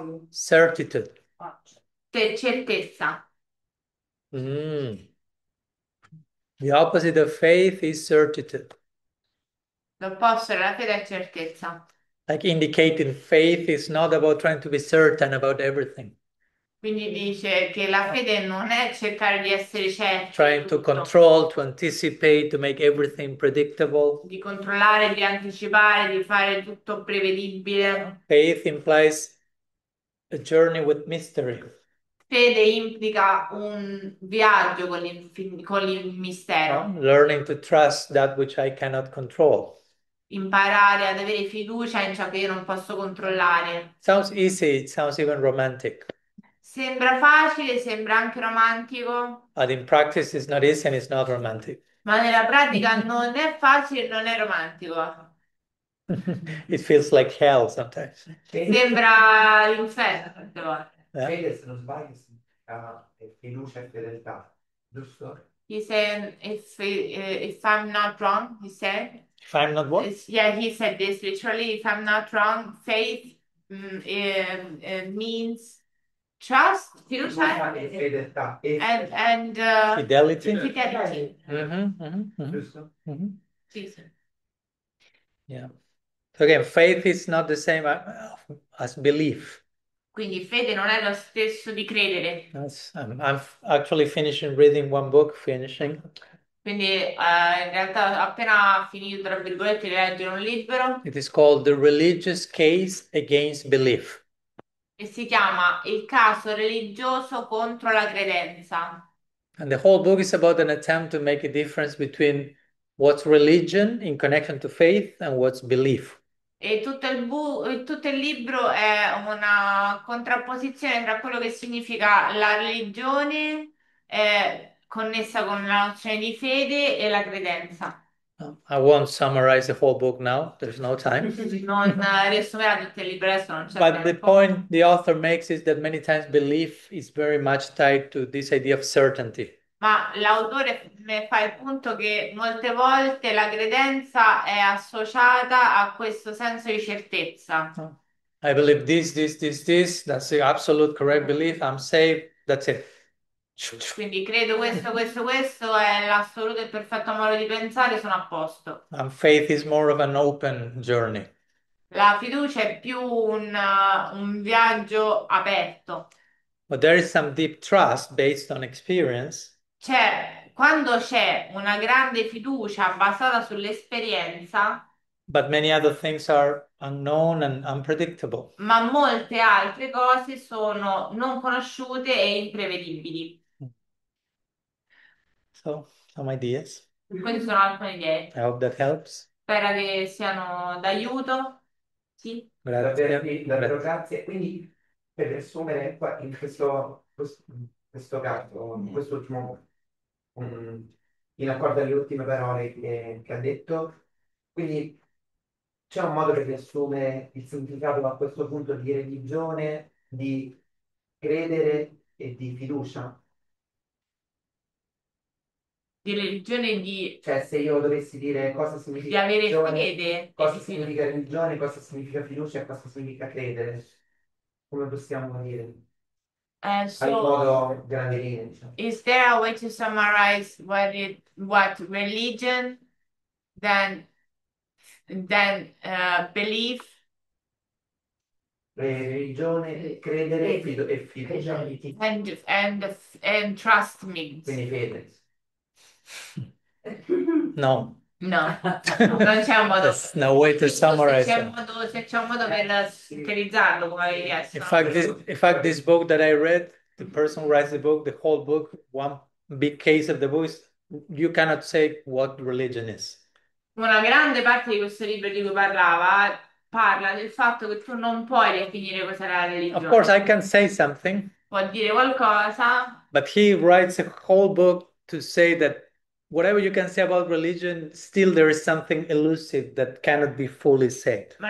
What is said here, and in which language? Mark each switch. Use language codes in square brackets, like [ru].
[en] certitude. [it] certezza. [en] The opposite of faith is certitude. [it] L'opposto della fede è certezza. [en] Like indicating faith is not about trying to be certain about everything. [it] Quindi dice che la fede non è cercare di essere certi di [en] Trying to [it] tutto, [en] control, to anticipate, to make everything predictable. [it] di controllare, di anticipare, di fare tutto prevedibile. [en] Faith implies a journey with mystery. [it] Fede implica un viaggio con il mistero. [en] Learning to trust that which I cannot control. [it] Imparare ad avere fiducia in ciò che io non posso controllare. [en] Sounds easy, it sounds even romantic. [it] Sembra facile, sembra anche romantico, [en] But in practice it's not easy and it's not romantic. [it] ma nella pratica non è facile e non è romantico. [en] It feels like hell sometimes. [it] Sembra l'inferno Fede, se non sbaglio, fiducia e fedeltà, giusto? tante volte. [en] He said, if I'm not wrong, he said. If I'm not what? Yeah, he said this literally. If I'm not wrong, faith means trust, [it] Fiducia [en] future, [it] e fedeltà, [en] and fidelity. fidelity. [it] Giusto? [en] Jesus. Yeah. So again, faith is not the same as belief. [it] Quindi fede non è lo stesso di credere. [en] I'm actually finishing reading one book, finishing. [it] Quindi in realtà ho appena finito, tra virgolette, di leggere un libro [en] It is called The Religious Case Against Belief. [it] e si chiama Il caso religioso contro la credenza. [en] And the whole book is about an attempt to make a difference between what's religion in connection to faith and what's belief. [it] E tutto il libro è una contrapposizione tra quello che significa la religione e connessa con la nozione di fede e la credenza. [en] I won't summarize the whole book now, there's no time. [it] Non riassumerà tutto il libro, adesso non c'è [en] But the [it] tempo. [en] point the author makes is that many times belief is very much tied to this idea of certainty. [it] Ma l'autore mi fa il punto che molte volte la credenza è associata a questo senso di certezza. [en] I believe this, that's the absolute correct belief, I'm safe, that's it. [it] Quindi credo questo è l'assoluto e perfetto modo di pensare, sono a posto. [en] And faith is more of an open journey. [it] La fiducia è più un viaggio aperto. [en] But there is some deep trust based on experience. [it] Cioè, quando c'è una grande fiducia basata sull'esperienza, [en] But many other things are unknown and unpredictable. [it] ma molte altre cose sono non conosciute e imprevedibili. [en] So, some ideas. [it] Queste sono alcune idee. [en] I hope that helps. [it] Spero che siano d'aiuto. Sì. Grazie. Grazie. Davvero grazie. Quindi, per riassumere qua in questo caso, in quest'ultimo, in accordo alle ultime parole che ha detto, quindi C'è un modo che riassume il significato a questo punto di religione, di credere e di fiducia? Cioè, Di religione di se io dovessi dire cosa significa avere religione, fede e cosa di fiducia. significa religione, cosa significa fiducia e cosa significa credere, come possiamo dire? Fare in [en] So, [it] modo grandi linee, diciamo. [en] is there a way to summarize what religion then belief [it] Religione, credere e fido, e fiducia. [en] credibility and trust means. [it] Quindi fede. No. No, non c'è un modo. [en] There's no way to summarize that. [it] Se c'è un modo per sintetizzarlo, come hai chiesto. [en] In fact, this book that I read, the person who writes the book, the whole book, one big case of the book is you cannot say what religion is. [it] Una grande parte di questo libro di cui parlava parla del fatto che tu non puoi definire cos'è la [en] Of course, I [it] religione. [en] can say something, [it] Può dire qualcosa. [en] but he writes a whole book to say that whatever you can say about religion, still there is something elusive that cannot be fully said.